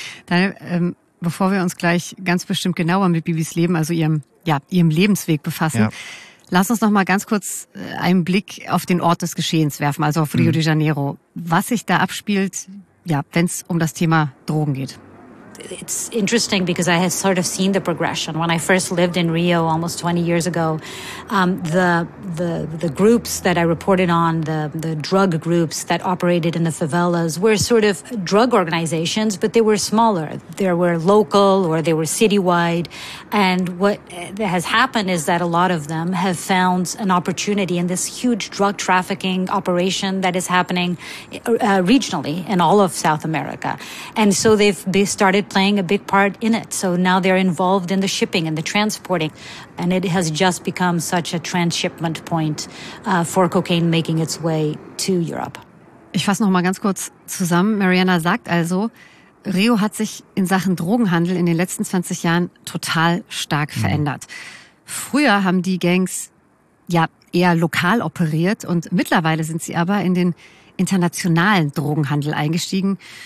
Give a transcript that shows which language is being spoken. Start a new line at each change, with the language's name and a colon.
German: Daniel, bevor wir uns gleich ganz bestimmt genauer mit Bibis Leben, also ihrem Lebensweg befassen, lass uns noch mal ganz kurz einen Blick auf den Ort des Geschehens werfen, also auf Rio de Janeiro. Was sich da abspielt, wenn es um das Thema Drogen geht.
English: it's interesting because I have sort of seen the progression. When I first lived in Rio almost 20 years ago, the groups that I reported on, the drug groups that operated in the favelas, were sort of drug organizations, but they were smaller. They were local or they were citywide. And what has happened is that a lot of them have found an opportunity in this huge drug trafficking operation that is happening regionally in all of South America. And so they started playing a big part in it. So now they're involved in the shipping and the transporting. And it has just become such a transshipment point for cocaine making its way to Europe.
German: Ich fasse noch mal ganz kurz zusammen. Mariana sagt also, Rio hat sich in Sachen Drogenhandel in den letzten 20 Jahren total stark verändert. Früher haben die Gangs ja eher lokal operiert und mittlerweile sind sie aber in den internationalen Drogenhandel eingestiegen.